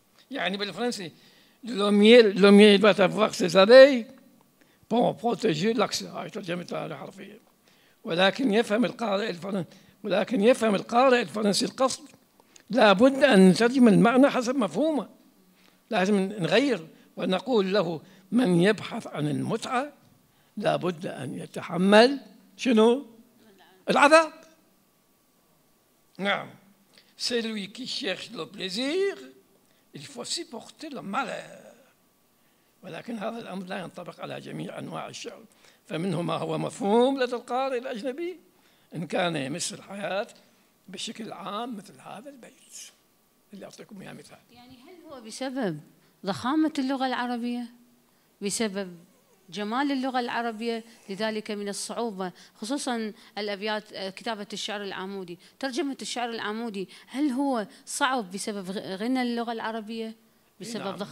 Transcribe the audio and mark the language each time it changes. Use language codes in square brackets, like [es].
[ar] يعني بالفرنسي [fr] لوميير باتفوق سيزاري بون بروتيجي لاكس، [ar] هاي ترجمتها الحرفية، ولكن يفهم القارئ الفرنسي، ولكن يفهم القارئ الفرنسي القصد. لابد أن نترجم المعنى حسب مفهومه، لازم نغير ونقول له من يبحث عن المتعة لابد أن يتحمل شنو العذاب. [fr] نعم، celui qui cherche le plaisir il faut supporter le malheur. [ar] ولكن هذا الأمر لا ينطبق على جميع أنواع الشعر، فمنه ما هو مفهوم لدى القارئ الأجنبي إن كان يمس الحياة بشكل عام مثل هذا البيت اللي أعطيكم إياه مثال. يعني هل هو بسبب ضخامة اللغة العربية، بسبب جمال اللغة العربية، لذلك من الصعوبة خصوصا الأبيات كتابة الشعر العمودي، ترجمة الشعر العمودي، هل هو صعب بسبب غنى اللغة العربية، بسبب نعم.